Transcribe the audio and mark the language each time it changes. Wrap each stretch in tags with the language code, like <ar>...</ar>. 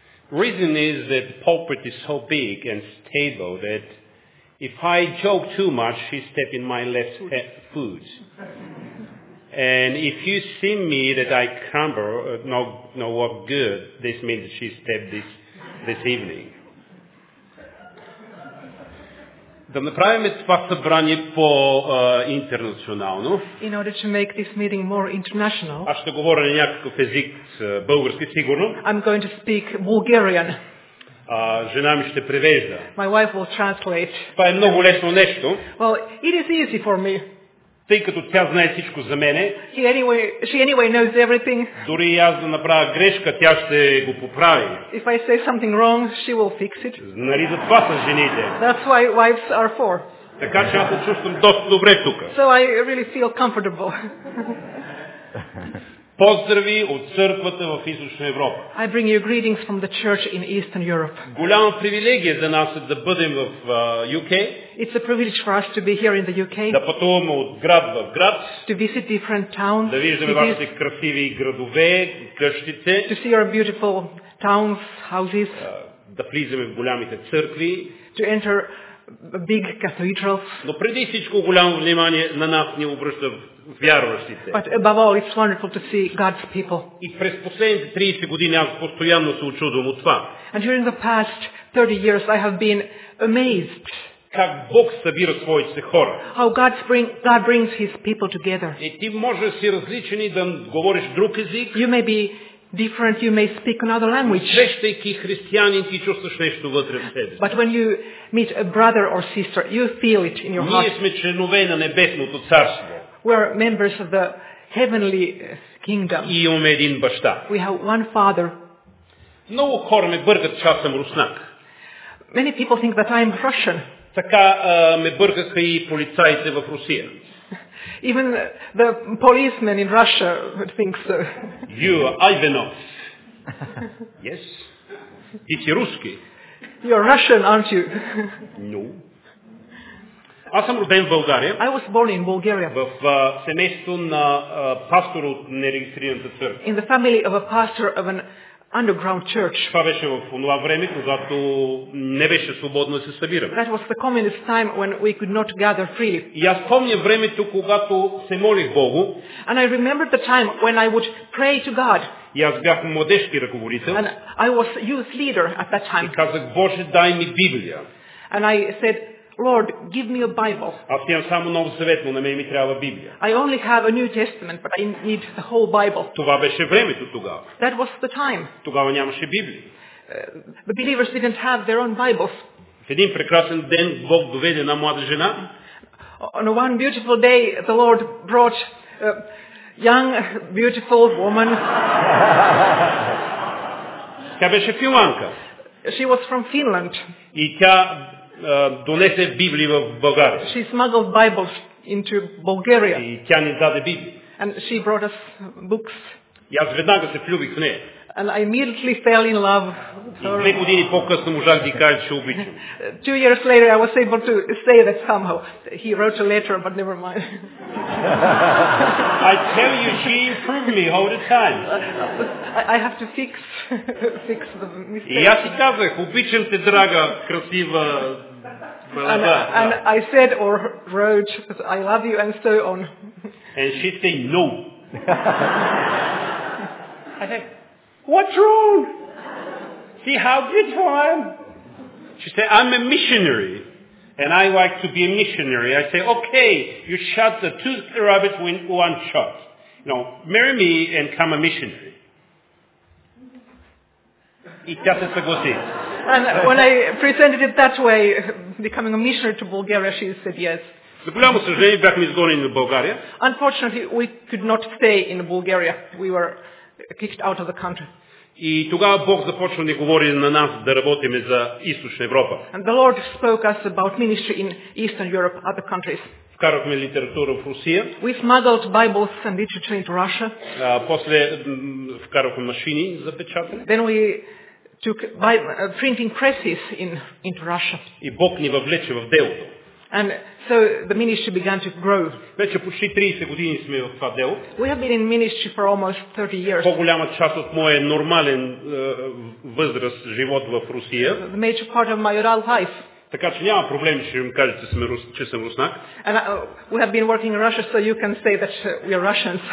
<en>Reason is that the pulpit is so big and stable that if I joke too much, she step in my left foot. And if you see me that I crumble, no what good, this means she stepped this evening.</en> <bg>Направим това събрание по интернационално.</bg> <en>In order to make this meeting more international.</en> <bg>Аз ще говоря на някакъв език български сигурно.</bg> <en>I'm going to speak Bulgarian.</en> <bg>Жена ми ще превежда.</bg> <en>My wife will translate.</en> <bg>Това е много лесно нещо.</bg> <en>Well, it is easy for me.</en> <bg>Тъй като тя знае всичко за мене.</bg> <en>She anyway knows everything.</en> <bg>Дори и аз да направя грешка, тя ще го поправи.</bg> <en>If I say something wrong, she will fix it.</en> <bg>Нали за това са жените.</bg> <en>That's why wives are for.</en> <bg>Така че аз се чувствам доста добре тук.</bg> <en>So I really feel comfortable.</en> <bg>Поздрави от църквата в Източна Европа.</bg> <en>I bring you greetings from the church in Eastern Europe.</en> <bg>Голяма привилегия за нас е да бъдем в UK.</bg> <en>It's a privilege for us to be here in the UK.</en> <bg>Да пътуваме от град в град.</bg> <en>To visit different towns.</en> <bg>Да виждаме вашите красиви градове, къщите.</bg> <en>To see your beautiful towns, houses.</en> <bg>Да влизаме в голямите църкви.</bg> <en>To enter big cathedrals.</en> <bg>Но преди всичко голямо внимание на нас ни обръща вярващите.</bg> <en>But above all, it's wonderful to see God's people.</en> <bg>И през последните 30 години аз постоянно се учудвам от това.</bg> <en>And during the past 30 years, I have been amazed.</en> <bg>Как Бог събира своите хора.</bg> <en>How God brings His people together.</en> <bg>И ти може да си различен и да говориш друг език.</bg> <en>You may be different, you may speak another language.</en> <bg>Срещайки християнин, ти чувстваш нещо вътре в себе.</bg> <en>But when you meet a brother or sister, you feel it in your heart.</en> <bg>Ние сме членове на небесното царство.</bg> <en>We are members of the heavenly kingdom.</en> <bg>И имаме един баща.</bg> <en>We have one father.</en> <bg>Много хора ме бъркат, че аз съм руснак.</bg> <en>Many people think that I am Russian.</en> <bg>Така ме бъркаха и полицаите в Русия.</bg> <en>Even the policeman in Russia would think so. You are Ivanov. Yes.</en> <bg>Ти си руски.</bg> <en>You are Russian, aren't you?</en> <bg>No. Аз съм роден в България.</bg> <en>I was born in Bulgaria.</en> <bg>В семейство на пастор от нерегистрираната църква.</bg> <en>In the family of a pastor of an underground church.</en> <bg>Това беше в онова време, когато не беше свободно да се събираме.</bg> <en>That was the communist time when we could not gather freely.</en> <bg>И аз помня времето, когато се молих Богу.</bg> <en>And I remember the time when I would pray to God.</en> <bg>И аз бях младежки ръководител.</bg> <en>And I was youth leader at that time.</en> <bg>И казах, Боже, дай ми Библия.</bg> <en>And I said, Lord, give me a Bible.</en> <bg>Аз имам само Нов Завет, но на мен ми трябва Библия.</bg> <en>I only have a New Testament, but I need the whole Bible.</en> <bg>Това беше времето тогава.</bg> <en>That was the time.</en> <bg>Тогава нямаше Библия.</bg> <en>The believers didn't have their own Bibles.</en> <bg>В един прекрасен ден Бог доведе една млада жена.</bg> <en>On one beautiful day, the Lord brought a young, beautiful woman.</en> <bg>Тя беше финландка.</bg> <en>She was from Finland.</en> <bg>И тя донесе Библии в България.</bg> <en>She smuggled Bibles into Bulgaria.</en> <bg>И тя ни даде Библии.</bg> <en>And she brought us books.</en> <bg>И аз веднага се влюбих в нея.</bg> <en>And I immediately fell in love with her.</en> <bg>И 2 години по-късно можах да кажа, че обичам.</bg> <en>2 years later I was able to say that somehow. He wrote a letter, but never mind. I tell you, she improved me all the time. I have to fix the mistake.</en> <bg>И аз си казах, обичам те, драга, красива.</bg> <en>And I said or wrote that I love you and so on. And she said no. What's wrong? See how beautiful I am. She said, I'm a missionary. and I like to be a missionary, I say, okay, you shot the two rabbits with one shot. You know, marry me and come a missionary. It doesn't go in. And when I presented it that way, becoming a missionary to Bulgaria, she said yes. Unfortunately, we could not stay in Bulgaria. We were kicked out of the country. And the Lord spoke us about ministry in Eastern Europe, other countries.</en> <bg>Вкарахме литература в Русия.</bg> <en>We smuggled Bibles and literature into Russia.</en> <bg>После вкарахме машини за печатане.</bg> <en>Then we took printing presses into Russia.</en> <bg>И Бог ни въвлече в делото.</bg> <en>And so the ministry began to grow.</en> <bg>Вече почти 30 години сме в това дело.</bg> <en>We have been in ministry for almost 30 years.</en> <bg>По-голяма част от моя нормален възраст, живот в Русия.</bg> <en>The major part of my adult life.</en> <bg>Така че няма проблем, че им кажете, че съм руснак.</bg> <en>And we have been working in Russia, so you can say that we are Russians.</en>